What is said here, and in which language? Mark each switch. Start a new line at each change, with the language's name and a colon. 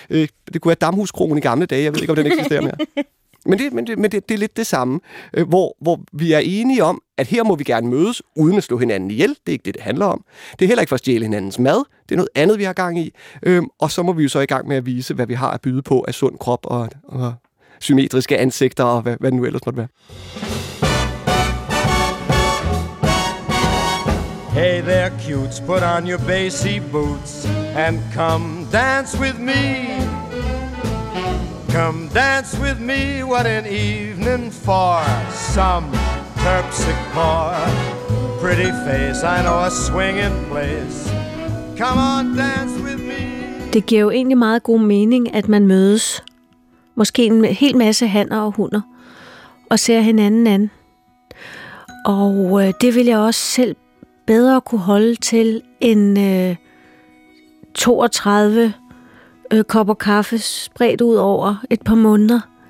Danish: Det kunne være Damhuskroen i gamle dage. Jeg ved ikke, om den eksisterer mere. Men det er lidt det samme, hvor vi er enige om, at her må vi gerne mødes, uden at slå hinanden ihjel. Det er ikke det, det handler om. Det er heller ikke for at stjæle hinandens mad. Det er noget andet, vi har gang i. Og så må vi jo så i gang med at vise, hvad vi har at byde på af sund krop og symmetriske ansigter og hvad nu ellers måtte være.
English: Hey there, cutes, put on your bassy boots and come dance with me. Come dance with me, what an evening for some terpsichore. Pretty face, I know a swinging place. Come on, dance with me.
Danish: Det giver jo egentlig meget god mening, at man mødes, måske en hel masse hanner og hunder, og ser hinanden an. Og det vil jeg også selv bedre kunne holde til end 32 kopper kaffe spredt ud over et par måneder.